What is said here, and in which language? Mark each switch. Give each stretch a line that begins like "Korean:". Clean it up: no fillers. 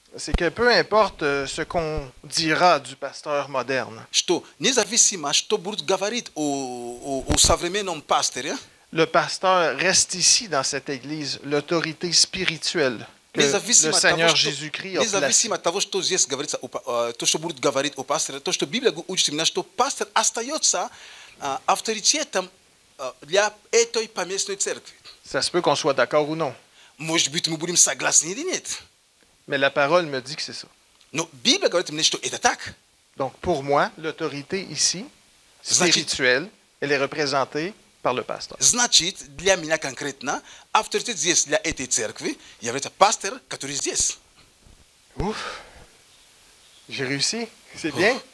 French: C'est que peu importe ce qu'on dira du pasteur moderne.
Russian: Что независимо, что будут говорить о современном пасторе.
French: Le pasteur reste ici dans cette église, l'autorité spirituelle que le Seigneur Jésus-Christ a placée.
Russian: Независимо от того, что здесь говорится, то, что будут говорить о пасторе, то, что Библия учит меня, что пастор остается авторитетом для этой поместной церкви.
French: Ça se peut qu'on soit d'accord ou non.
Russian: Может быть, мы будем согласны или нет.
French: Mais la parole me dit que c'est ça.
Russian: Но Библия говорит мне, что это так.
French: Donc pour moi, l'autorité ici, spirituelle, elle est représentée par le pasteur.
Russian: Значит, для меня конкретно, авторитет здесь для этой церкви является пастор, который здесь.
French: Ouf, j'ai réussi, c'est bien.